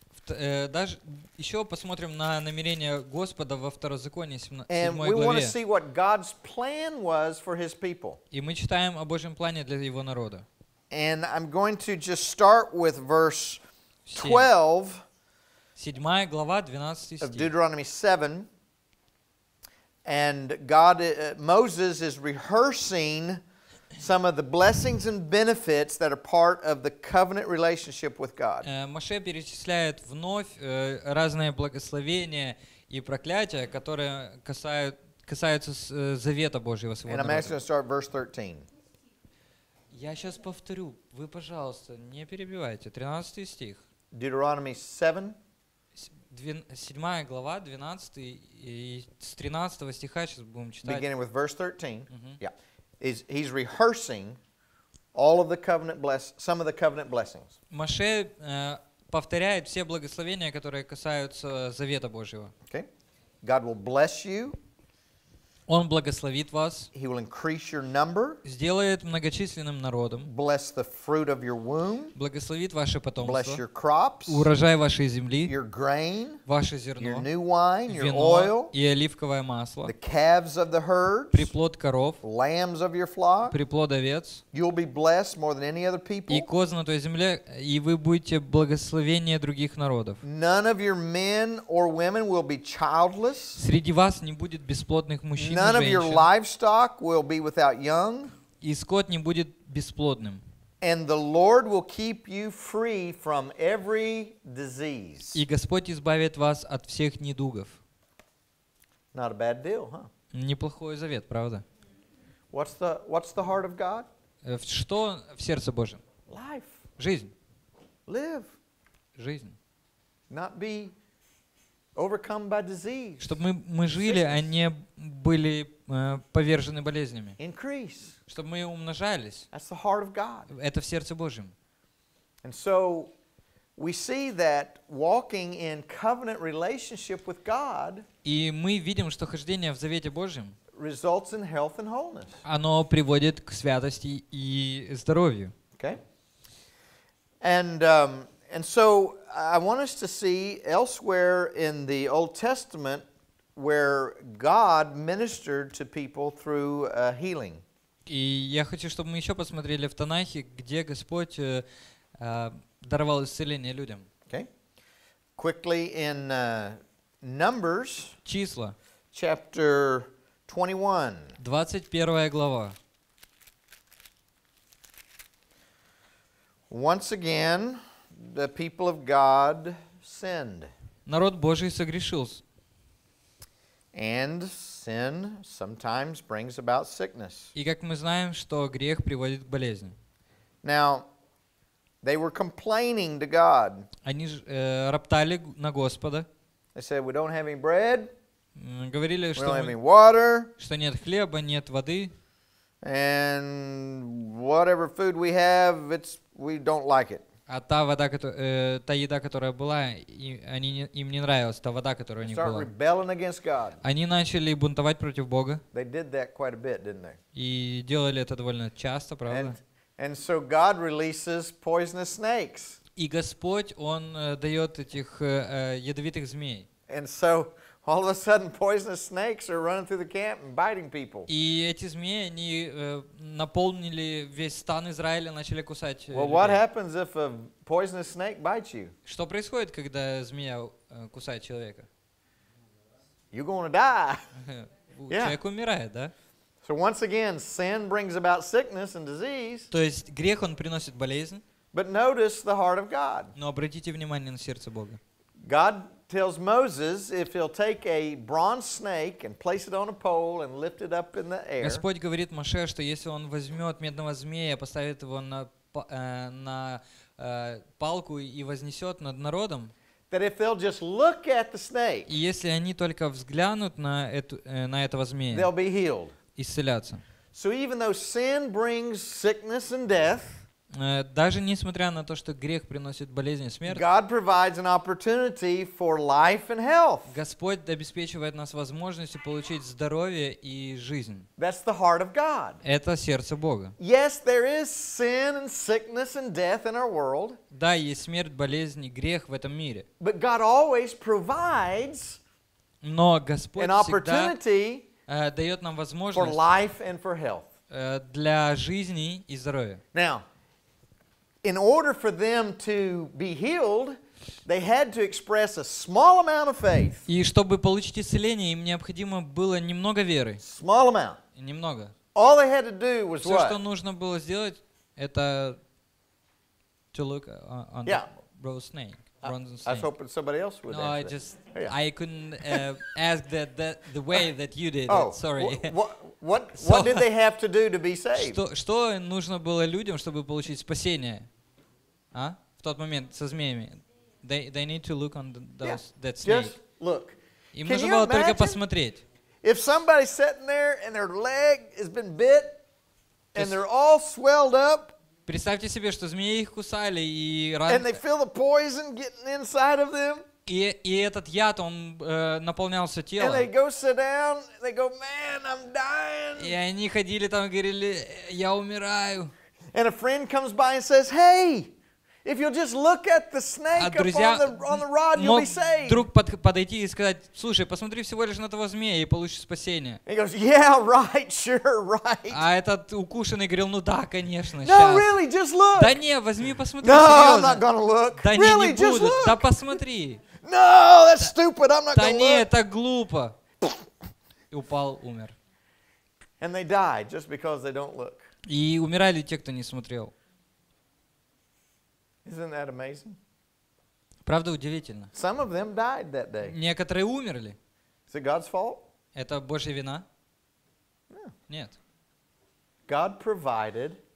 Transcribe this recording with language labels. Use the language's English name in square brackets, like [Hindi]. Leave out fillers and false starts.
[Russian] Даже еще посмотрим на намерение Господа во Второзаконии 7 главе. [English] And we want to see what God's plan was for His people. [Russian] И мы читаем о Божьем плане для Его народа. [English] And I'm going to just start with verse 12. [Russian] 7 глава, 12 стих. [English] Of Deuteronomy 7. And God, Moses is rehearsing some of the blessings and benefits that are part of the covenant relationship with God. [Russian] Моше перечисляет вновь разные благословения и проклятия, которые касаются завета Божьего с его народом. [English] And I'm asking to start verse 13. [Russian] Я сейчас повторю. Вы, пожалуйста, не перебивайте. 13 стих. [English] Deuteronomy 7. [Russian] 7 глава, 12 и с 13 стиха сейчас будем читать. [English] Beginning with verse 13. Mm-hmm. Yeah. He's rehearsing all of the covenant some of the covenant blessings. [Russian] Моше повторяет все благословения, которые касаются завета Божьего. [English] Okay. God will bless you. [Russian] Он благословит вас. [English] He will increase your number. [Russian] Сделает многочисленным народом. [English] Bless the fruit of your womb. [Russian] Благословит ваше потомство. [English] Bless your crops. [Russian] Урожай вашей земли. [English] Your grain. [Russian] Ваше зерно. [English] Your new wine. [Russian] Вино, [English] your oil. [Russian] И оливковое масло. [English] The calves of the herds. [Russian] Приплод коров. [English] Lambs of your flock. [Russian] Приплод овец. [English] You'll be blessed more than any other people. [Russian] И коз на той земле, и вы будете благословение других народов. [English] None of your men or women will be childless. [Russian] Среди вас не будет бесплодных мужчин. [English] None of your livestock will be without young. [Russian] И скот не будет бесплодным. [English] And the Lord will keep you free from every disease. [Russian] И Господь избавит вас от всех недугов. [English] Not a bad deal, huh? [Russian] Неплохой завет, правда? [English] What's the heart of God? [Russian] Что в сердце Божьем? [English] Life. [Russian] Жизнь. [English] Live. [Russian] Жизнь. [English] Not be overcome by disease. [Russian] Чтобы мы жили, а не были повержены болезнями. [English] Increase. [Russian] Чтобы мы умножались. [English] That's the heart of God. [Russian] Это в сердце Божьем. [English] And so we see that walking in covenant relationship with God. [Russian] И мы видим, что хождение в завете Божьем. [English] Results in health and wholeness. [Russian] Оно приводит к святости и здоровью. [English] Okay. And so I want us to see elsewhere in the Old Testament where God ministered to people through healing. [Russian] И я хочу, чтобы мы еще посмотрели в Танахе, где Господь даровал исцеление людям. [English] Okay. Quickly in Numbers. [Russian] Числа. [English] Chapter 21. [Russian] 21 глава. [English] Once again, the people of God sinned. [Russian] Народ Божий согрешил. [English] And sin sometimes brings about sickness. [Russian] И как мы знаем, что грех приводит к болезням. [English] Now, they were complaining to God. [Russian] Они роптали на Господа. [English] They said, "We don't have any bread." [Russian] Говорили, [English] we don't have any water. [Russian] Что нет хлеба, нет воды. [English] And whatever food we have, we don't like it. [Russian] А та вода, та еда, которая была, им не нравилась, та вода, которая у них была. [English] Start rebelling against God. [Russian] Они начали бунтовать против Бога. [English] They did that quite a bit, didn't they? [Russian] И делали это довольно часто, правда? [English] And so God releases poisonous snakes. [Russian] И Господь, Он дает этих ядовитых змей. [English] And so all of a sudden, poisonous snakes are running through the camp and biting people. [Russian] И эти змеи, они наполнили весь стан Израиля, начали кусать людей. [English] Well, what happens if a poisonous snake bites you? [Russian] Что происходит, когда змея кусает человека? [English] You're going to die. [Russian] Человек умирает, да? [English] So once again, sin brings about sickness and disease. [Russian] То есть грех он приносит болезнь. [English] But notice the heart of God. [Russian] Но обратите внимание на сердце Бога. [English] God tells Moses if he'll take a bronze snake and place it on a pole and lift it up in the air. [Russian] Господь говорит Моше, что если он возьмет медного змея, поставит его на палку и вознесет над народом. [English] That if they'll just look at the snake. [Russian] И если они только взглянут на этого змея. [English] They'll be healed. [Russian] Исцелятся. [English] So even though sin brings sickness and death. [Russian] Даже несмотря на то, что грех приносит болезнь и смерть, [English] God provides an opportunity for life and health. [Russian] Господь обеспечивает нас возможностью получить здоровье и жизнь. [English] That's the heart of God. [Russian] Это сердце Бога. [English] Yes, there is sin and sickness and death in our world. [Russian] Да, есть смерть, болезнь и грех в этом мире. [English] But God always provides [Russian] Но Господь [English] an opportunity [Russian] всегда, дает нам возможность [English] for life and for health. [Russian] Для жизни и здоровья. [English] Now, in order for them to be healed, they had to express a small amount of faith. [Russian] И чтобы получить исцеление, им необходимо было немного веры. [English] Small amount. [Russian] Немного. [English] All they had to do was what? [Russian] Все, что нужно было сделать, это [English] to look on the bronze snake. Bronze snake. I was hoping somebody else would. No, I just I couldn't ask that the way that you did. Oh, it. Sorry. What did they have to do to be saved? [Russian] Что нужно было людям, чтобы получить спасение? А? В тот момент со змеями. [English] They need to look on that snake. Just look. [Russian] Им нужно было только посмотреть. [English] If somebody's sitting there and their leg has been bit and they're all swelled up. [Russian] Представьте себе, что змеи их кусали и [English] And they feel the poison getting inside of them. [Russian] И этот яд, он наполнялся телом. [English] And they go sit down, they go, man, I'm dying. [Russian] И они ходили там и говорили, я умираю. [English] And a friend comes by and says, hey, if you'll just look at the snake on the rod, you'll be saved. [Russian] Друг подойти и сказать, слушай, посмотри всего лишь на того змея и получишь спасение. [English] He goes, yeah, right, sure, right. [Russian] А этот укушенный говорил, ну да, конечно. [English] No, really, just look. [Russian] Да не, возьми, посмотри. [English] No, I'm not gonna look. [Russian] Да не, не буду. Да посмотри. [English] No, that's stupid. I'm not gonna look. [Russian] Да не, это глупо. И упал, умер. [English] And they die just because they don't look. [Russian] И умирали те, кто не смотрел. [English] Isn't that amazing? [Russian] Правда, удивительно. [English] Some of them died that day. [Russian] Некоторые умерли. [English] Is it God's fault? [Russian] Это Божья вина? [English] No. [Russian] Нет. [English] God provided help.